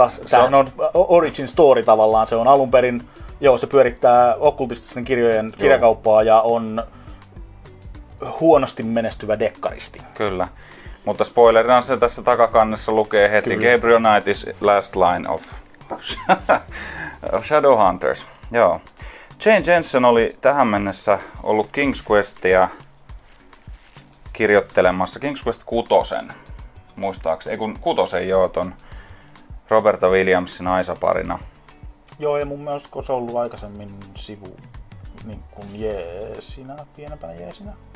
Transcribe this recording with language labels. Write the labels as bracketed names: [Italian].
[Finnish] Tämä on origin story tavallaan. Se on alun perin, joo, se pyörittää okkultististen kirjojen kirjakauppaa ja on huonosti menestyvä dekkaristi. Kyllä. Mutta spoilerina se tässä takakannessa lukee heti. Kyllä. [English] Gabriel Knight is last line of Shadowhunters. [Finnish] Joo. Jane Jensen oli tähän mennessä ollut King's Questia kirjoittelemassa. King's Quest kutosen, muistaakseni. Ei kun kutosen joo, ton Roberta Williamsin aisaparina. Joo, ja mun mielestä se on ollut aikaisemmin sivu niin kuin jeesinä, pienempänä jeesinä.